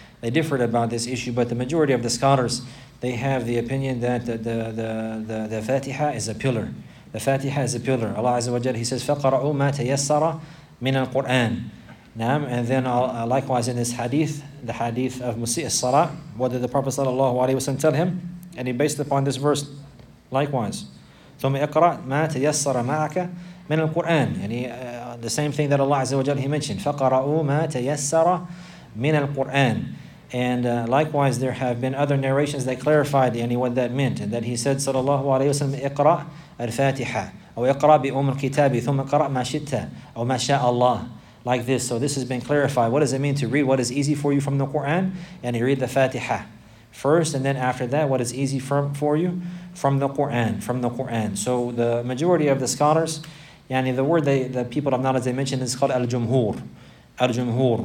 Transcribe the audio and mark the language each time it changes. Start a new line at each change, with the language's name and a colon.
English: They differed about this issue, but the majority of the scholars, they have the opinion that the Fatiha is a pillar. The Fatiha is a pillar. Allah Azza wa Jalla, he says,
Arabic: فَقَرَعُوا مَا تَيَسَّرَ مِنَ الْقُرْآنِ.
English: Naam. And then likewise in this hadith, the hadith of Musi' al-Sara, what did the Prophet sallallahu alayhi wa sallam tell him? And he based upon this verse, likewise.
Arabic: ثُمْ اِقْرَأْ مَا تَيَسَّرَ مَعَكَ من القرآن.
English: يعني the same thing that Allah عز وجل he mentioned.
Arabic: فقرأوا ما تيسر من القرآن.
English: And likewise, there have been other narrations that clarified يعني what that meant, and that he said
Arabic: صلى الله عليه وسلم اقرأ الفاتحة أو اقرأ بأم الكتاب ثم اقرأ ما شئت أو ما شاء الله.
English: Like this. So this has been clarified. What does it mean to read what is easy for you from the Quran? يعني read the فاتحة first, and then after that, what is easy for you from the Quran? From the Quran. So the majority of the scholars, yani the word the people of knowledge they mentioned is called al-jumhur. Al-jumhur.